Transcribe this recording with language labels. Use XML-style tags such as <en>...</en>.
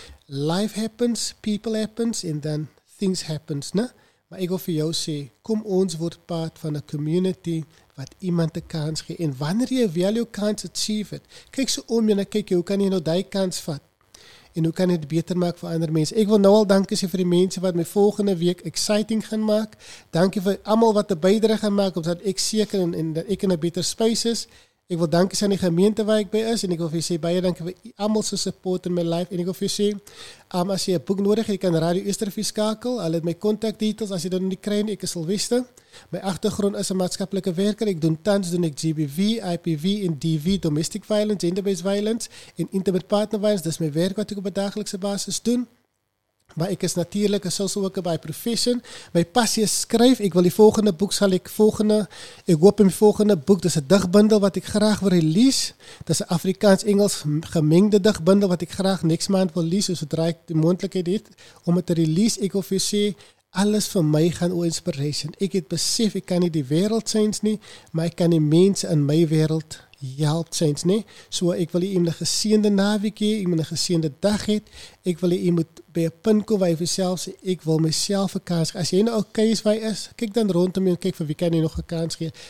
<en>Life happens, people happens, and then things happens.</en> <af>Nee? Maar ek wil vir jou sê, kom ons word part van 'n community wat iemand 'n kans gee. En wanneer jy wel jou kans achieve het, kyk so om jy en kyk jy, hoe kan jy nou die kans vat? En hoe kan jy dit beter maak vir ander mense? Ek wil nou al dankie sê vir die mense wat my volgende week exciting gaan maak. Dankie vir allemaal wat 'n bydrae gaan maak, omdat ek seker en dat ek in 'n beter space is. Ek wil dankie aan die gemeente waar ek by is en ek wil vir jy sê baie dankie vir almal se</af> <en>support in my life</en> <af>en ek wil vir jy sê as jy 'n boek nodig het, jy kan Radio Oosterfees skakel. Hulle het my contact details as jy dit nie kry nie. Ek is Sylvester. My agtergrond is 'n maatskaplike werker. Ek doen tans, doen ek GBV, IPV en DV, domestic violence, gender-based violence en intimate partner violence. Dis my werk wat ek op 'n dagelikse basis doen. Maar ek is natuurlijk een social worker by profession. My passie is skryf. Ek wil die volgende boek, ek hoop in die volgende boek, dis een digbundel wat ek graag wil release. Dis een Afrikaans-Engels gemengde digbundel wat ek graag next maand wil release, sodra ek die moontlikheid het om het te release. Ek wil vir sê, alles vir my gaan oor inspiration. Ek het besef, ek kan nie die wereld sains nie, maar ek kan die mense in my wereld help sains nie. So ek wil jy een geseende naweek hê, jy moet een geseende dag het, ek wil jy moet by 'n punt kom waar jy vir self sê, ek wil myself 'n kans gee. As jy nou al keis waar jy is, kyk dan rondom jou en kyk vir wie kan jy nog 'n kans gee.</af>